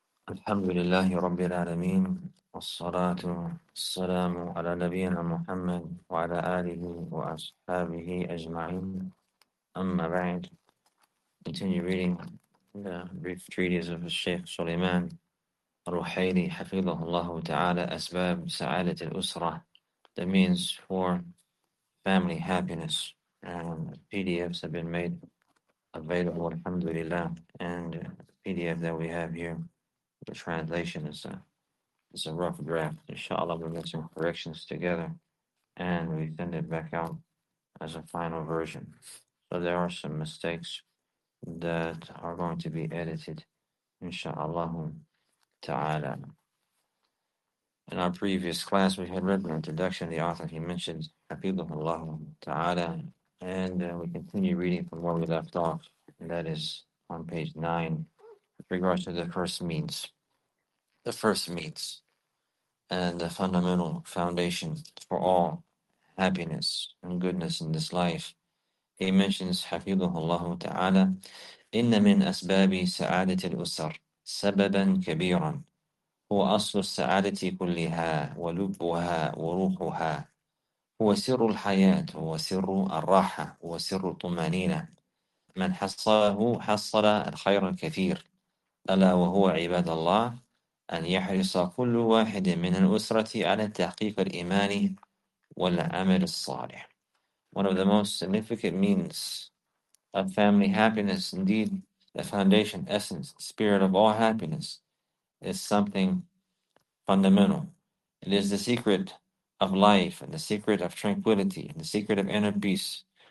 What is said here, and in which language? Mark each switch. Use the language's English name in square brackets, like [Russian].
[Arabic] الحمد لله رب العالمين، والصلاة والسلام على نبينا محمد وعلى آله وأصحابه أجمعين. أما بعد، continue reading the brief treatise of الشيخ سليمان الرحيلي حفظه الله تعالى، أسباب سعادة الأسرة، the means for family happiness. [English] PDFs have been made available, الحمد لله, and the PDF that we have here, the translation is a rough draft. Inshallah, we'll get some corrections together and we send it back out as a final version. So there are some mistakes that are going to be edited, inshallah ta'ala. In our previous class, we had read an introduction. The author, he mentioned Hafidhullah ta'ala, and we continue reading from where we left off, and that is on page 9, with regards to the first means. The first means and the fundamental foundation for all happiness and goodness in this life. [Arabic] He mentions حفظه الله تعالى إن من أسباب سعادة الأسر سببا كبيرا هو أصل السعادة كلها ولبها وروحها هو سر الحياة هو سر الراحة هو سر الطمأنينة من حصله حصل الخير الكثير ألا وهو عباد الله أن يحرص كل واحد من الأسرة على تحقيق الإيمان والعمل الصالح. [English] One of the most significant means of family happiness, indeed the foundation, essence, spirit of all happiness, is something fundamental. It is the secret of life and the secret of tranquility and the secret of inner peace.